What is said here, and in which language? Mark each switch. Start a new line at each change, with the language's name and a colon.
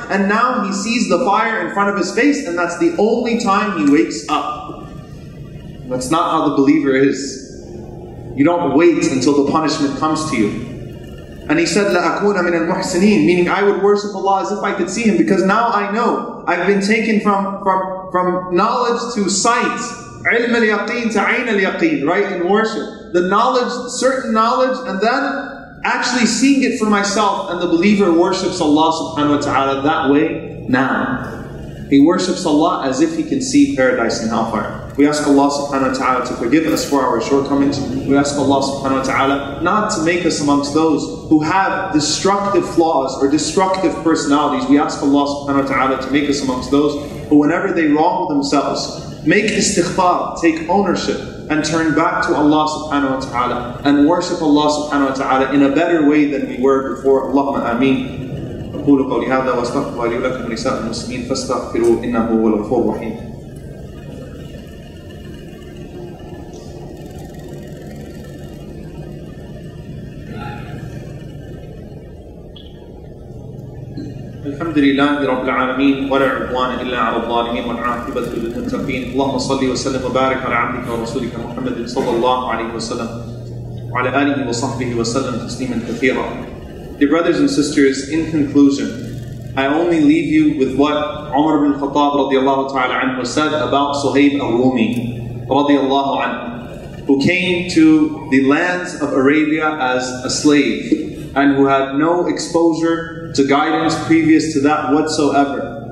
English: And now he sees the fire in front of his face, and that's the only time he wakes up. That's not how the believer is. You don't wait until the punishment comes to you. And he said,
Arabic: لَأَكُونَ مِنَ الْمُحْسِنِينَ,
English: meaning I would worship Allah as if I could see him, because now I know I've been taken from knowledge to sight.
Arabic: علم اليقين تعين اليقين,
English: right, in worship. The knowledge, certain knowledge, and then actually seeing it for myself. And the believer worships Allah subhanahu wa ta'ala that way now. He worships Allah as if he can see paradise in hellfire. We ask Allah subhanahu wa ta'ala to forgive us for our shortcomings. We ask Allah subhanahu wa ta'ala not to make us amongst those who have destructive flaws or destructive personalities. We ask Allah subhanahu wa ta'ala to make us amongst those who, whenever they wrong themselves, make istighfar, take ownership, and turn back to Allah subhanahu wa ta'ala and worship Allah subhanahu wa ta'ala in a better way than we were before. Allahumma ameen.
Arabic: أقول قولي هذا واستغفر لي ولكم ونساء المسلمين فاستغفروا إنه هو الغفور الرحيم. الحمد لله رب العالمين ولا عدوان إلا على الظالمين والعاقبة للمتقين. اللهم صل وسلم وبارك على عبدك ورسولك محمد صلى الله عليه وسلم وعلى آله وصحبه وسلم تسليما كثيرا.
English: Dear brothers and sisters, in conclusion, I only leave you with what Umar ibn Khattab radiallahu ta'ala anhu said about Suhayb al-Rumi radiallahu anhu, who came to the lands of Arabia as a slave and who had no exposure to guidance previous to that whatsoever.